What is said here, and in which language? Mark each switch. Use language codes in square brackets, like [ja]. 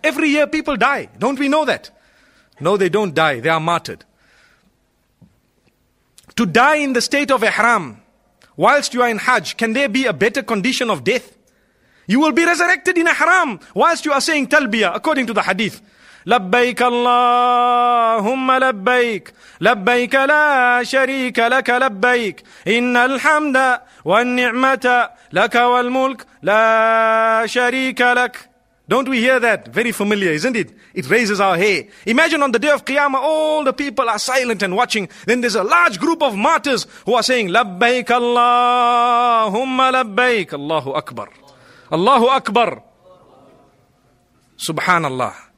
[en] Every year people die. Don't we know that? No, they don't die. They are martyred. To die in the state of ihram, whilst you are in Hajj, can there be a better condition of death? You will be resurrected in ihram, whilst you are saying talbiyah, according to the hadith. [ar] لبيك اللهم لبيك لبيك لا شريك لك لبيك إن الحمد والنعمة لك والملك لا شريك لك. [en] Don't we hear that? Very familiar, isn't it? It raises our hair. Imagine on the day of Qiyamah, all the people are silent and watching. Then there's a large group of martyrs who are saying, [ar] لبيك اللهم لبيك. الله أكبر. الله أكبر. سبحان الله.